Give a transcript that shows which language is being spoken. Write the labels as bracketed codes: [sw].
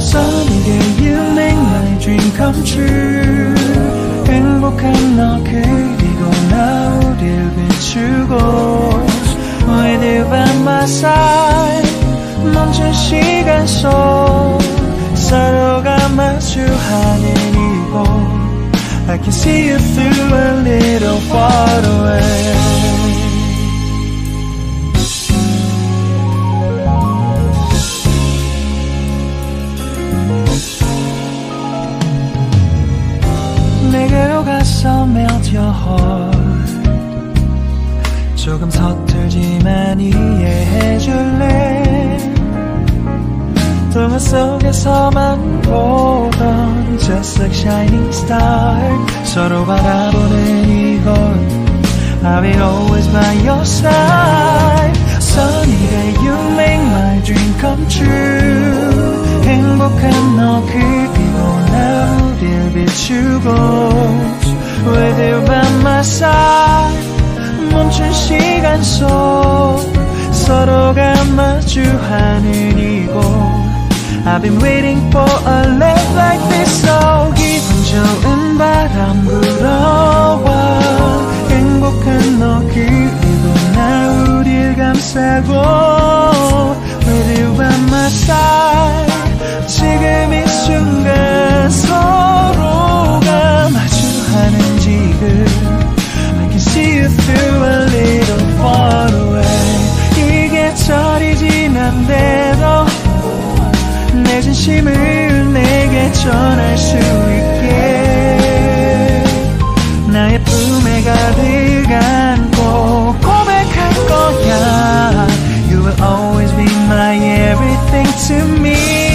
[en] Sunny day you make my dream come true. [ko] 행복한 너 그리고 나 우릴 비추고. [en] With you by my side. [ko] 멈춘 시간 속 서로가 마주하는 이곳. [en] I can see you through a little far away. [ko] 내게로 가서 [en] melt your heart. [ko] 조금 서툴지만 이해해줄래. 동화 속에서만 보던 [en] just like shining star. [ko] 서로 바라보는 이곳. [en] I'll be always by your side. Sunny day you make my dream come true. [ko] 행복한 너 그리고 나 우릴 비추고. [en] With you by my side. [ko] 멈춘 시간 속 서로가 마주하는 이곳. [en] I've been waiting for a love like this. [ko] So 기분 좋은 바람 불어와. 행복한 너 그리고 나 우릴 감싸고. [en] With you by my side. [ko] 지금 이 순간 서로가 마주하는 지금. [en] I can see you through a little far away. [ko] 이 계절이 지난대로 내 진심을 내게 전할 수 있게. 나의 품에 가득 안고 고백할 거야. [en] You will always be my everything to me.